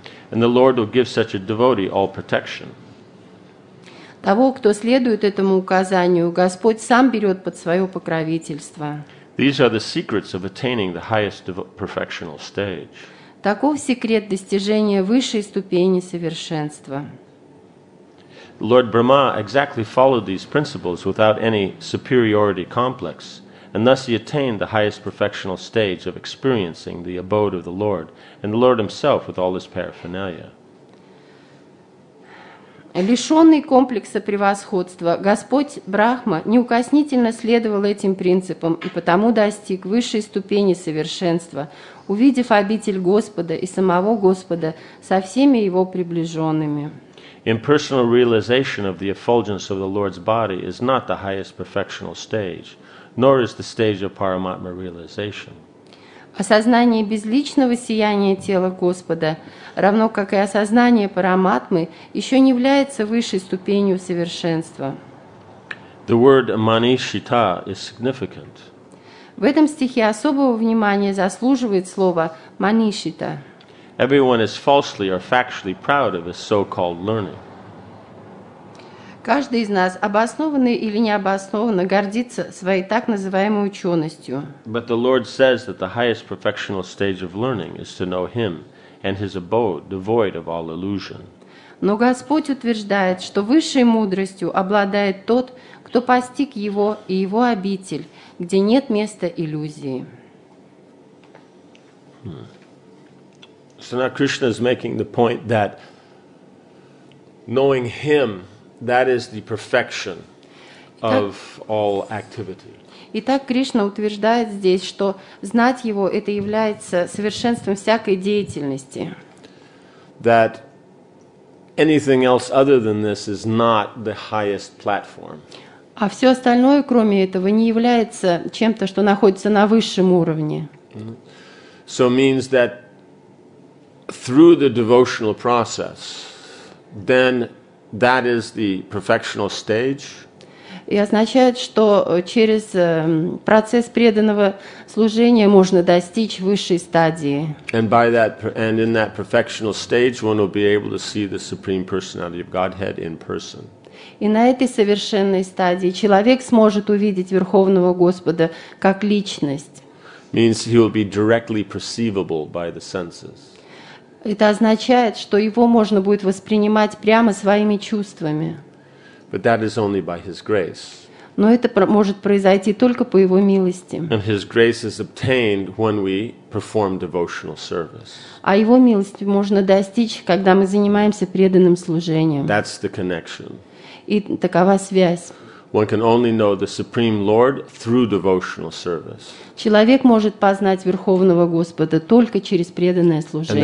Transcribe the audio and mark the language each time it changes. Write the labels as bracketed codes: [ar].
[en] And the Lord will give such a devotee all protection. [ru] Того, кто следует этому указанию, Господь сам берет под свое покровительство. [en] These are the secrets of attaining the highest perfectional stage. [ru] Таков секрет достижения высшей ступени совершенства. [en] Lord Brahma exactly followed these principles without any superiority complex, and thus he attained the highest perfectional stage of experiencing the abode of the Lord and the Lord himself with all his paraphernalia. [ru] Лишенный комплекса превосходства, Господь Брахма неукоснительно следовал этим принципам и потому достиг высшей ступени совершенства, увидев обитель Господа и самого Господа со всеми его приближенными. [en] Impersonal realization of the effulgence of the Lord's body is not the highest perfectional stage, nor is the stage of Paramatma realization. [ru] Осознание безличного сияния тела Господа, равно как и осознание параматмы, еще не является высшей ступенью совершенства. [en] The word manishita is significant. [ru] В этом стихе особого внимания заслуживает слово манишита. [en] Everyone is falsely or factually proud of his so-called learning. [ru] Каждый из нас, обоснованно или необоснованно, гордится своей так называемой ученостью. [en] But the Lord says that the highest perfectional stage of learning is to know Him and His abode, devoid of all illusion. [ru] Но Господь утверждает, что высшей мудростью обладает тот, кто постиг Его и Его обитель, где нет места иллюзии. [en] So now Krishna is making the point that knowing Him, that is the perfection of all activity. [ru] Итак, Кришна утверждает здесь, что знать его это является совершенством всякой деятельности. [en] That anything else other than this is not the highest platform. [ru] А все остальное, кроме этого, не является чем-то, что находится на высшем уровне. [en] So means that through the devotional process, then that is the perfectional stage. [ru] И означает, что через процесс преданного служения можно достичь высшей стадии. [en] And by that, and in that perfectional stage, one will be able to see the Supreme Personality of Godhead in person. [ru] И на этой совершенной стадии человек сможет увидеть Верховного Господа как личность. [en] Means he will be directly perceivable by the senses. [ru] Это означает, что его можно будет воспринимать прямо своими чувствами. [en] But that is only by his grace. [ru] Но это может произойти только по его милости. [en] And his grace is obtained when we perform devotional service. [ru] А его милость можно достичь, когда мы занимаемся преданным служением. [en] That's the connection. [ru] И такова связь. [en] One can only know the Supreme Lord through devotional service. [ru] Человек может познать Верховного Господа только через преданное служение.